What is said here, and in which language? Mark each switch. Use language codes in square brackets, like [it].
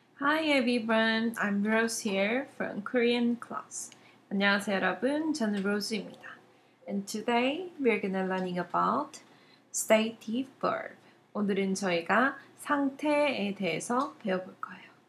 [en] Hi everyone, I'm Rose here from Korean class. [ko] 안녕하세요 여러분, 저는 로즈입니다. [en] And today we're gonna learning about stative verb. [ko] 오늘은 저희가 상태에 대해서 배워볼 거예요.